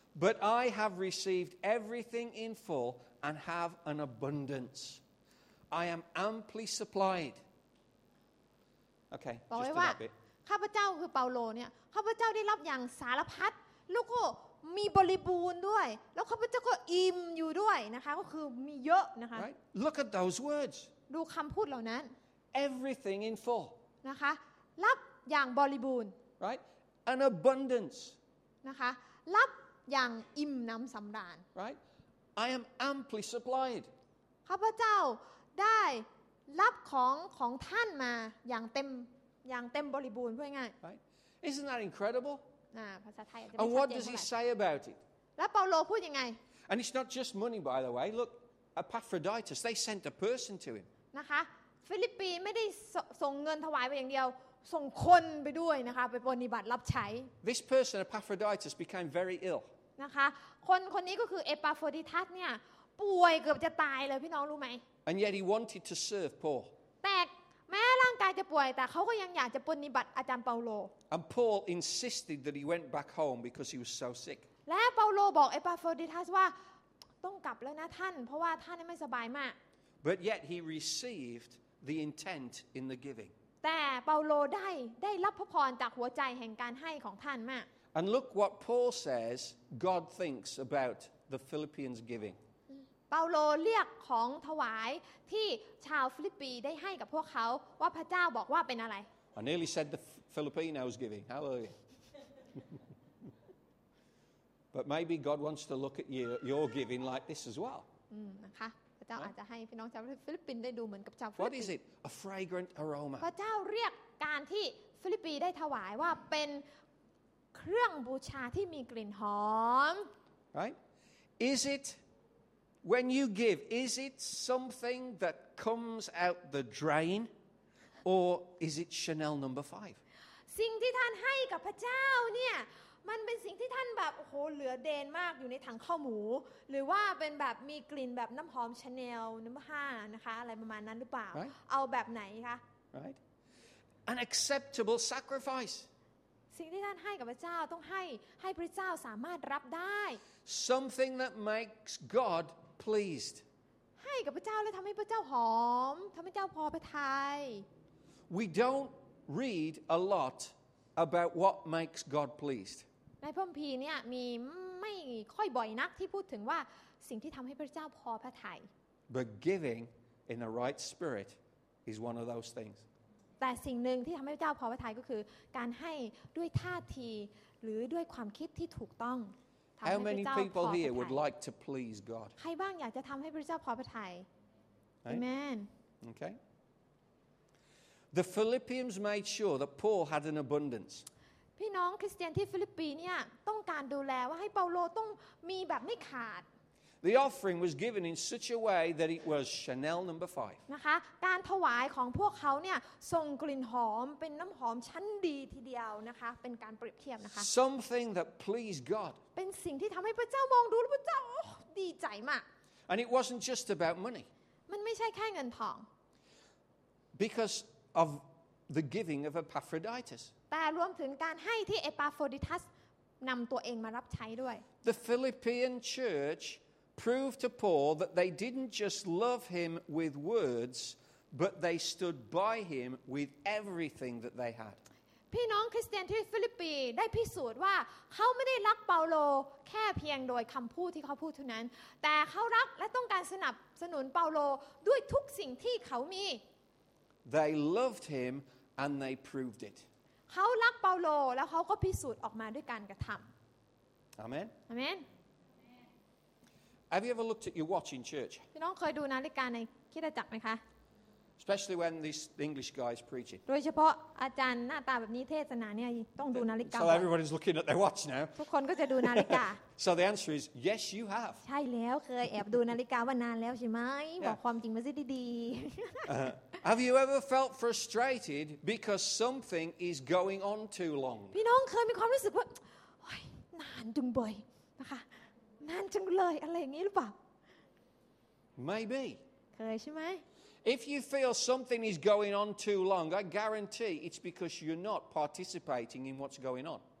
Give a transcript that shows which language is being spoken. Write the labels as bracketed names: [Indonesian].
[English] But I have received everything in full and have an abundance. I am amply supplied. Okay, just that bit. [Thai] บอกว่าข้าพเจ้าคือเปาโลเนี่ยข้าพเจ้าได้รับอย่างสารพัดลูกโอ้มีบริบูรณ์ด้วยแล้วข้าพเจ้าก็อิ่มอยู่ด้วยนะคะก็คือมีเยอะนะคะ [English] Right Look at those words [Thai] ดูคำพูดเหล่านั้น [English] Everything in full [Thai] นะคะรับอย่างบริบูรณ์ [English] Right An abundance [Thai] นะคะรับอย่างอิ่มน้ำสำราญ [English] Right I am amply supplied [Thai] ข้าพเจ้าได้รับของท่านมาอย่างเต็มบริบูรณ์ด้วยง่าย [English] Right Isn't that incredible? And what does he say about it? [Thai] แล้วเปาโลพูดยังไง [English] And it's not just money, by the way. Look, Epaphroditus. They sent a person to him. [Thai] นะคะ ฟิลิปปีไม่ได้ส่งเงินถวายไปอย่างเดียวส่งคนไปด้วยนะคะไปปฏิบัติรับใช้ [English] This person, Epaphroditus, became very ill. [Thai] นะคะคนนี้ก็คือเอปาฟอดิทัสเนี่ยป่วยเกือบจะตายเลยพี่น้องรู้ไหม [English] And yet he wanted to serve Paul. [Thai] แต่แม้ร่าง กายจะป่วยแต่เขาก็ยังอยากจะปฏิบัติอาจารย์เปาโล [English] And Paul insisted that he went back home because he was so sick [Thai] และเปาโลบอกเอปาโฟดิทัสว่าต้องกลับแล้วนะท่านเพราะว่าท่านไม่สบายมาก [English] But yet he received the intent in the giving [Thai] แต่เปาโลได้รับพระพรจากหัวใจแห่งการให้ของท่านมาก [English] And look what Paul says God thinks about the Philippians giving [Thai] เปาโลเรียกของถวายที่ชาวฟิลิปปีได้ให้กับพวกเขาว่าพระเจ้าบอกว่าเป็นอะไร [English] I nearly said the Filipinos giving hallelujah but maybe God wants to look at your giving like this as well [Thai] นะคะพระเจ้าอาจจะให้พี่น้องชาวฟิลิปปินได้ดูเหมือนกับชาวฟิลิป [English] What is it a fragrant aroma [Thai] พระเจ้าเรียกการที่ฟิลิปปีได้ถวายว่าเป็นเครื่องบูชาที่มีกลิ่นหอม [English] right is itWhen you give, is it something that comes out the drain, or is it Chanel number 5? [Thai] สิ่งที่ท่านให้กับพระเจ้าเนี่ยมันเป็นสิ่งที่ท่านแบบโอ้เหลือเดนมากอยู่ในถังข้าวหมูหรือว่าเป็นแบบมีกลิ่นแบบน้ำหอม Chanel number 5นะคะอะไรประมาณนั้นหรือเปล่า [English] right? [Thai] เอาแบบไหนคะ [English] right an acceptable sacrifice [Thai] สิ่งที่ท่านให้กับพระเจ้าต้องให้พระเจ้าสามารถรับได้ [English] something that makes GodPleased. [Thai] ให้กับพระเจ้าแล้วทำให้พระเจ้าหอมทำให้เจ้าพอพระทัย [English] We don't read a lot about what makes God pleased. [Thai] ในพระคัมภีร์เนี่ยมีไม่ค่อยบ่อยนักที่พูดถึงว่าสิ่งที่ทำให้พระเจ้าพอพระทัย [English] But giving in the right spirit is one of those things. [Thai] แต่สิ่งหนึ่งที่ทำให้พระเจ้าพอพระทัยก็คือการให้ด้วยท่าทีหรือด้วยความคิดที่ถูกต้อง [English] How many people here would like to please God? [Thai] ใครบ้างอยากจะทำให้พระเจ้าพอพระทัย Amen. [English] Okay. The Philippians made sure that Paul had an abundance. [Thai] พี่น้องคริสเตียนที่ฟิลิปปีเนี่ยต้องการดูแลว่าให้เปาโลต้องมีแบบไม่ขาด [English] The offering was given in such a way that it was Chanel number 5. [Thai] นะคะการถวายของพวกเขาเนี่ยส่งกลิ่นหอมเป็นน้ำหอมชั้นดีทีเดียวนะคะเป็นการเปรียบเทียบนะคะ [English] Something that pleased God. [Thai] เป็นสิ่งที่ทำให้พระเจ้ามองดูแล้วพระเจ้าดีใจมาก [English] And it wasn't just about money. [Thai] มันไม่ใช่แค่เงินทอง [English] Because of the giving of Epaphroditus. [Thai] แต่รวมถึงการให้ที่เอปาโฟดิทัสนำตัวเองมารับใช้ด้วย [English] The Philippian churchprove to Paul that they didn't just love him with words but they stood by him with everything that they had [Thai] พี่น้องคริสเตียนที่ฟิลิปปีได้พิสูจน์ว่าเขาไม่ได้รักเปาโลแค่เพียงโดยคำพูดที่เขาพูดเท่านั้นแต่เขารักและต้องการสนับสนุนเปาโลด้วยทุกสิ่งที่เขามี [English] They loved him and they proved it [Thai] เขารักเปาโลแล้วเขาก็พิสูจน์ออกมาด้วยการกระทำ [English] Amen Amen Have you ever looked at your watch in church? [Thai] พี่น้องเคยดูนาฬิกาในคริสตจักรไหมคะ [English] Especially when this English guy is preaching. [Thai] โดยเฉพาะอาจารย์หน้าตาแบบนี้เทศนาเนี่ยต้องดูนาฬิกา [English] So everybody's looking at their watch now. [Thai] ทุกคนก็จะดูนาฬิกา [English] So the answer is yes, you have. [Thai] ใช่แล้วเคยแอบดูนาฬิกาว่านานแล้วใช่ไหมบอกความจริงมาซิดี [English] ๆ Have you ever felt frustrated because something is going on too long? [Thai] พี่น้องเคยมีความรู้สึกว่านานจังเลยนะคะนานจังเลยอะไรอย่างนี้หรือเปล่า [English] Maybe [Thai] เคยใช่ไหม [English] If you feel something is going on too long, I guarantee it's because you're not participating in what's going on.